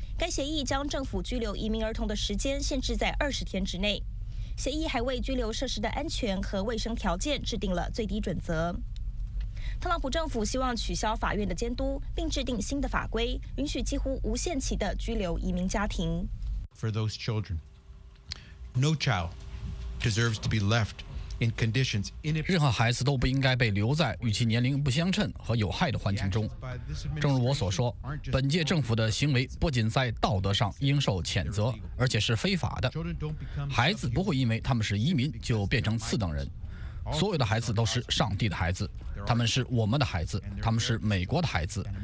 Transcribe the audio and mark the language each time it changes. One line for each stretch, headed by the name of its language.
Chinese: 该协议将政府拘留移民儿童的时间限制在20天之内。协议还为拘留设施的安全和卫生条件制定了最低准则。特朗普政府希望取消法院的监督，并制定新的法规，允许几乎无限期的拘留移民家庭。
English: For those children, no child deserves to be left.
Chinese: 任何孩子都不应该被留在与其年龄不相称和有害的环境中。正如我所说，本届政府的行为不仅在道德上应受谴责，而且是非法的。孩子不会因为他们是移民就变成次等人。所有的孩子都是上帝的孩子，他们是我们的孩子，他们是美国的孩子。